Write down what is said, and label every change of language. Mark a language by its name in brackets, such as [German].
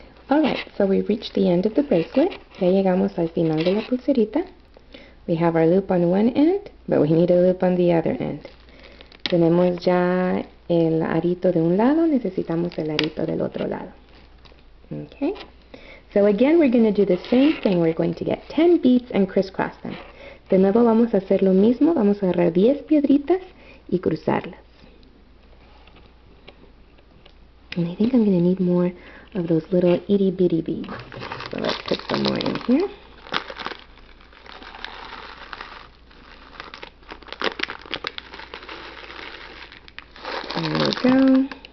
[English] Alright, so we've reached the end of the bracelet. [Spanish] Ya llegamos al final de la pulserita. [English] We have our loop on one end, but we need a loop on the other end. [Spanish] Tenemos ya el arito de un lado, necesitamos el arito del otro lado. [English] Okay? So again, we're going to do the same thing. We're going to get 10 beads and crisscross them. [Spanish] De nuevo vamos a hacer lo mismo, vamos a agarrar 10 piedritas y cruzarlas. [English] And I think I'm going to need more of those little itty bitty beads. So let's put some more in here. There we go.